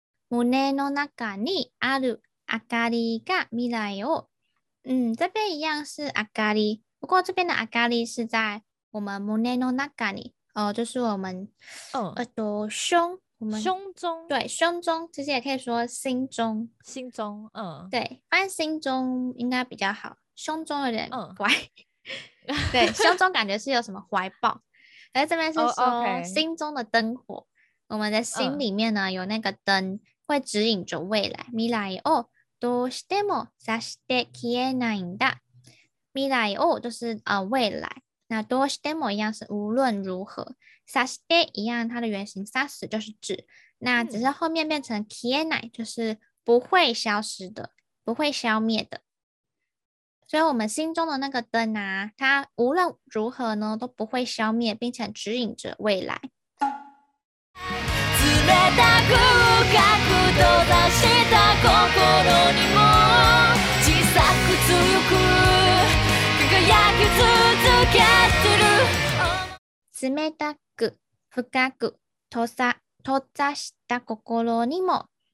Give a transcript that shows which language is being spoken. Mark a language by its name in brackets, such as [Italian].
[Japanese] 胸の中にある明かりが未来を。 [Chinese] 嗯，这边一样是 [Japanese] 明かり， [Chinese] 不过这边的明かり是在我们 [Japanese] 胸の中に， [Chinese] 就是我们，胸。胸中，对，胸中其实也可以说心中，心中，嗯，对，反正心中应该比较好，胸中有点怪，对，胸中感觉是有什么怀抱，而这边是说心中的灯火，我们的心里面呢有那个灯，会指引着未来。 [Japanese] 未来をどうしても指して消えないんだ。未来を [Chinese] 就是未来。那 [Japanese] どうしても [Chinese] 一样是无论如何， [Japanese] さして [Chinese] 一样，它的原型 [Japanese] さす [Chinese] 就是指，那只是后面变成 [Japanese] 消えない， [Chinese] 就是不会消失的，不会消灭的。所以我们心中的那个灯啊，它无论如何呢都不会消灭，并且指引着未来。 [Japanese] 冷たく深く閉ざした心にも小さく強く輝き続けする。冷たく深く閉ざした心にも。